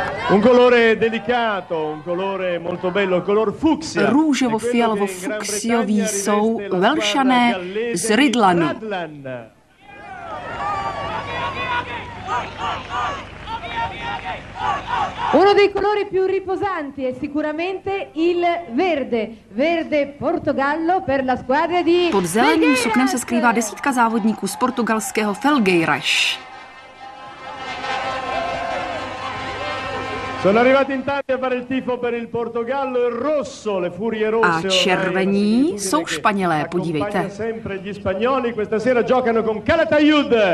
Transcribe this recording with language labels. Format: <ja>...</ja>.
<it>Un colore delicato, un colore molto bello, color fucsia.</it> <cs>Růžovo-fialovo-fuksiový jsou Velšané z Ridlanu.</cs> <it>Uno dei colori più riposanti è sicuramente il verde, verde Portogallo per la squadra di.</it> <cs>Pod zeleným suknem se skrývá desítka závodníků z portugalského Felgueiras.</cs> <it>Sono arrivati in tanti a fare il tifo per il Portogallo, il rosso, le furie rosse.</it> <cs>A červení jsou Španělé, podívejte.</cs> <it>Sempre gli spagnoli questa sera giocano con Calatayud.</it>